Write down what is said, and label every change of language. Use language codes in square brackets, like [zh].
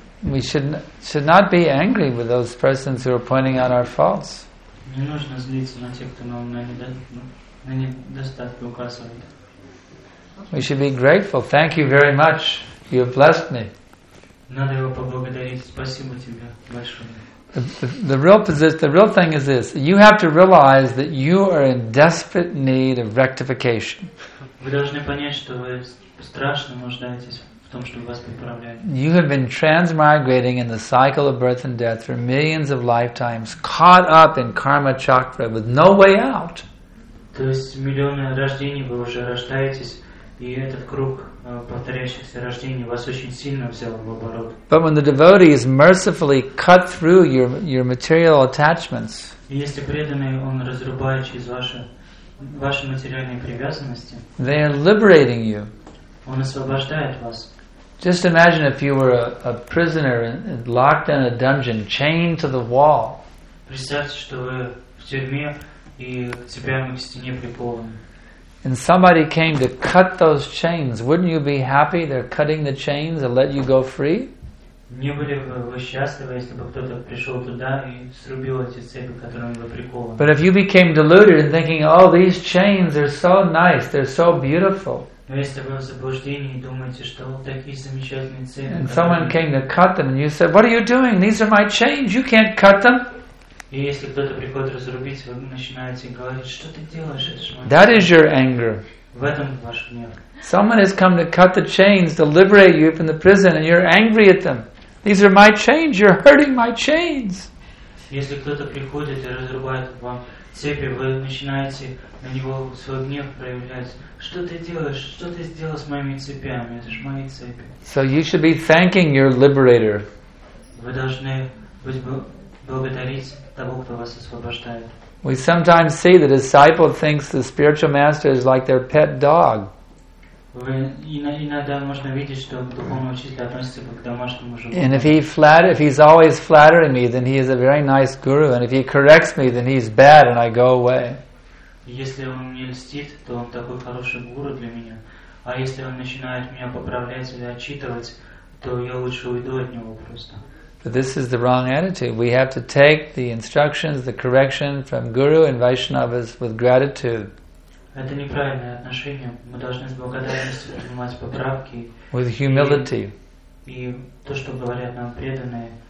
[en] We should not be angry with those persons who are pointing out our faults. [ru] Не нужно злиться на тех, кто нам на недостатки указывает. [en] We should be grateful. Thank you very much. You have blessed me. [ru] Надо его поблагодарить. Спасибо тебе большое. [en] The real thing is this: you have to realize that you are in desperate need of rectification. [ru] Вы должны понять, что вы страшно нуждаетесь в том, чтобы вас поправляли. [en] You have been transmigrating in the cycle of birth and death for millions of lifetimes, caught up in karma chakra with no way out. [ru] То есть миллионы рождений вы уже рождаетесь, и этот круг повторяющихся рождений вас очень сильно взял в оборот. [en] But when the devotee is mercifully cut through your material attachments, [ru] если преданный, он разрубает через ваши материальные привязанности. [en] They are liberating you. [ru] Он освобождает вас. [en] Just imagine if you were a prisoner locked in a dungeon, chained to the wall. [ru] Представьте, что вы в тюрьме и цепями к стене прикованы. [en] And somebody came to cut those chains. Wouldn't you be happy they're cutting the chains and let you go free? [ru] Не были бы вы счастливы, если бы кто-то пришел туда и срубил эти цепи, которыми вы прикованы. [en] But if you became deluded and thinking, oh, these chains are so nice, they're so beautiful. [ru] Но если вы в заблуждении и думаете, что вот такие замечательные цепи. [en] And someone came to cut them and you said, what are you doing? These are my chains, you can't cut them. [ru] И если кто-то приходит разрубить, вы начинаете говорить, что ты делаешь? [en] That is your anger. [ru] В этом ваш гнев. [en] Someone has come to cut the chains to liberate you from the prison and you're angry at them. These are my chains, you're hurting my chains. [ru] Если кто-то приходит и разрубает вам цепи, вы начинаете на него свой гнев проявлять. Что ты делаешь? Что ты сделал с моими цепями? Это же мои цепи. [en] So you should be thanking your liberator. [ru] Вы должны благодарить того, кто вас освобождает. [en] We sometimes see the disciple thinks the spiritual master is like their pet dog. And if he's always flattering me, then he is a very nice guru. And if he corrects me, then he's bad and I go away. [ru] Если он мне льстит, то он такой хороший гуру для меня. А если он начинает меня поправлять или отчитывать, то я лучше уйду от него просто. [en] But this is the wrong attitude. We have to take the instructions, the correction from Guru and Vaishnavas with gratitude. [ru] Это неправильное отношение. Мы должны с благодарностью принимать поправки. [en] With humility. [ru] И то, что говорят нам преданные.